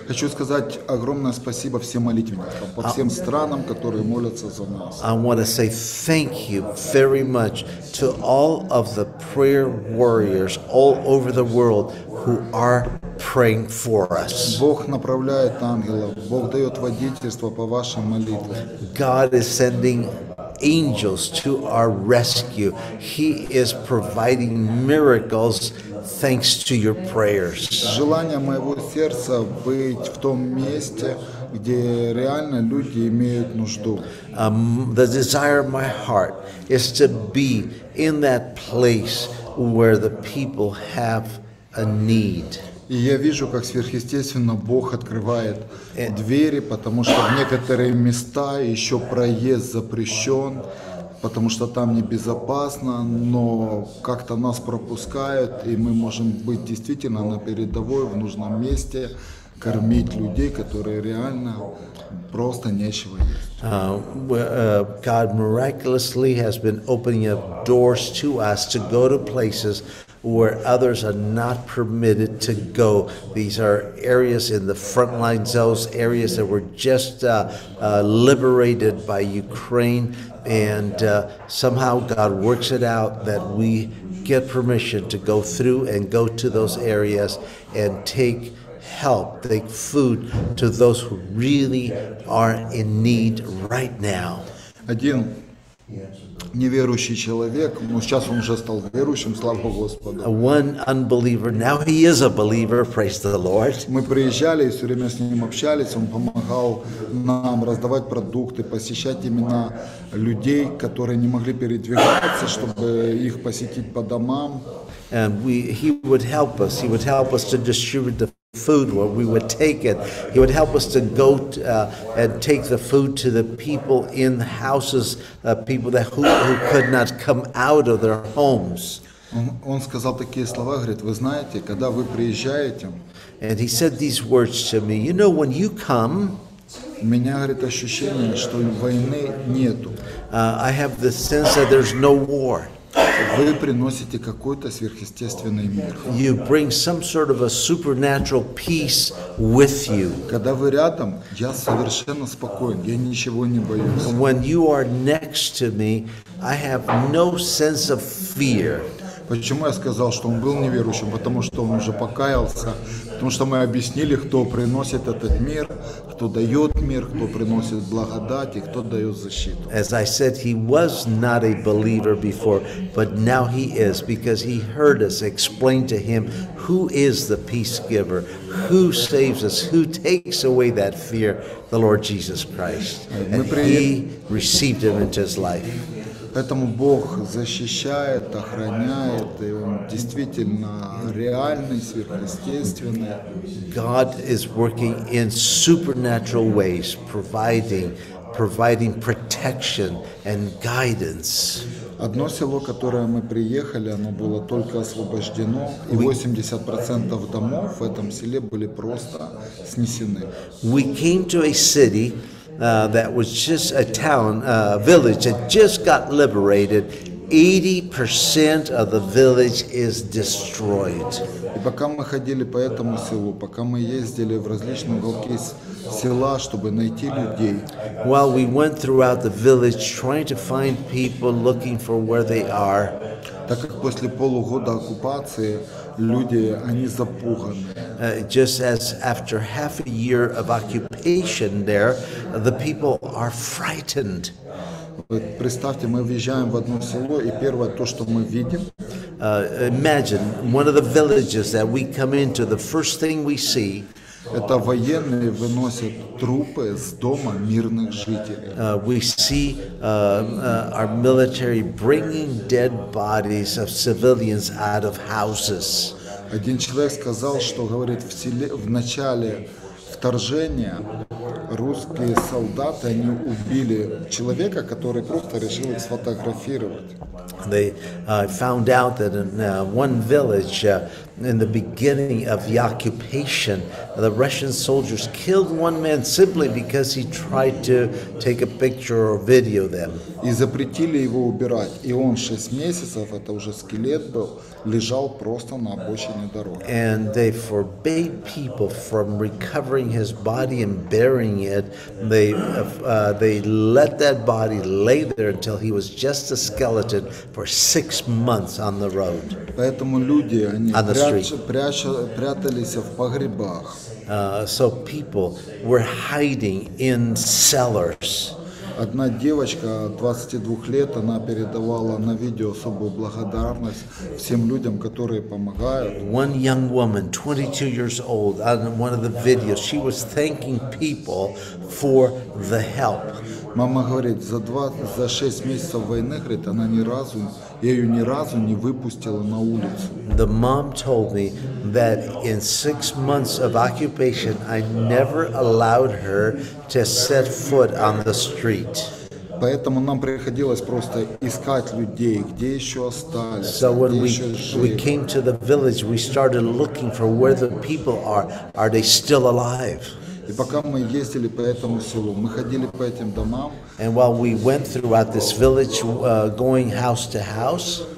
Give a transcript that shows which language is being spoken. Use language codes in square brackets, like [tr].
[ru] Хочу сказать огромное спасибо всем молитвенникам, по всем странам, которые молятся за нас. [en] I want to say thank you very much to all of the prayer warriors all over the world who are praying for us. [ru] Бог направляет ангелов, Бог дает водительство по вашим молитвам. [en] God is sending angels to our rescue. He is providing miracles thanks to your prayers. [ru] Желание моего сердца быть в том месте, где реально люди имеют нужду. [en] The desire of my heart is to be in that place where the people have a need. [ru] И я вижу, как сверхъестественно Бог открывает двери, потому что в некоторые места еще проезд запрещен, потому что там небезопасно, но как-то нас пропускают, и мы можем быть действительно на передовой, в нужном месте, кормить людей, которые реально просто нечего есть. [en] God miraculously has been opening up doors to us to go to places where others are not permitted to go. These are areas in the front line zones, areas that were just liberated by Ukraine, and somehow God works it out that we get permission to go through and go to those areas and take help, take food to those who really are in need right now. [ru] Один неверующий человек, но сейчас он уже стал верующим, слава Господу. [en] One unbeliever, now he is a believer, praise the Lord. [ru] Мы приезжали и все время с ним общались, он помогал нам раздавать продукты, посещать именно людей, которые не могли передвигаться, чтобы их посетить по домам. [en] And he would help us to distribute the food where we would take it. He would help us to go and take the food to the people in houses, people that who could not come out of their homes. [ru] Он сказал такие слова, говорит, вы знаете, когда вы приезжаете. [en] And he said these words to me, you know, when you come, [ru] у меня, говорит, ощущение, что войны нету. [en] I have the sense that there's no war. [ru] Вы приносите какой-то сверхъестественный мир. [en] You bring some sort of a supernatural peace with you. [ru] Когда вы рядом, я совершенно спокоен, я ничего не боюсь. [en] When you are next to me, I have no sense of fear. [ru] Почему я сказал, что он был неверующим? Потому что он уже покаялся. Потому что мы объяснили, кто приносит этот мир, кто дает мир, кто приносит благодать и кто дает защиту. [en] As I said, he was not a believer before, but now he is, because he heard us explain to him who is the peace giver, who saves us, who takes away that fear, the Lord Jesus Christ. And he received him into his life. [ru] Поэтому Бог защищает, охраняет, и Он действительно реальный, сверхъестественный. [en] God is working in supernatural ways, providing protection and guidance. [ru] Одно село, которое мы приехали, оно было только освобождено, и 80% домов в этом селе были просто снесены. [en] We came to a city that was just a town, a village that just got liberated. 80% of the village is destroyed. [ru] И пока мы ходили по этому селу, пока мы ездили в различные уголки села, чтобы найти людей. [en] While we went throughout the village trying to find people, looking for where they are. [ru] Так как после полугода оккупации люди, они запуганы. [en] Just as after half a year of occupation there, the people are frightened. [ru] Представьте, мы въезжаем в одно село, и первое то, что мы видим. [en] Imagine one of the villages that we come into, the first thing we see. [ru] Это военные выносят трупы из дома мирных жителей. [en] We see our military bringing dead bodies of civilians out of houses. [ru] Один человек сказал, что говорит в селе в начале вторжения русские солдаты, они убили человека, который просто решил их сфотографировать. [en] They found out that in one village, in the beginning of the occupation, the Russian soldiers killed one man simply because he tried to take a picture or video them. [ru] И запретили его убирать, и он 6 месяцев, это уже скелет был, лежал просто на обочине дороги. [en] And they forbade people from recovering his body and burying it. They let that body lay there until he was just a skeleton for 6 months on the road. [ru] Поэтому люди, они прятались в погребах. [en] So people were hiding in cellars. [ru] Одна девочка 22 лет, она передавала на видео особую благодарность всем людям, которые помогают. [en] One young woman, 22 years old, on one of the videos, she was thanking people for the help. [ru] Мама говорит, за 6 месяцев войны, говорит, она ни разу, я ее ни разу не выпустила на улицу. [en] The mom told me that in 6 months of occupation, I never allowed her to set foot on the street. [ru] Поэтому нам приходилось просто искать людей, где еще остались, [en] so [ru] где [en] we, [ru] еще жили. [en] We came to the village, we started looking for where the people are. Are they still alive? [ru] И пока мы ездили по этому селу, мы ходили по этим домам. [en] And while we went throughout this village, going house to house,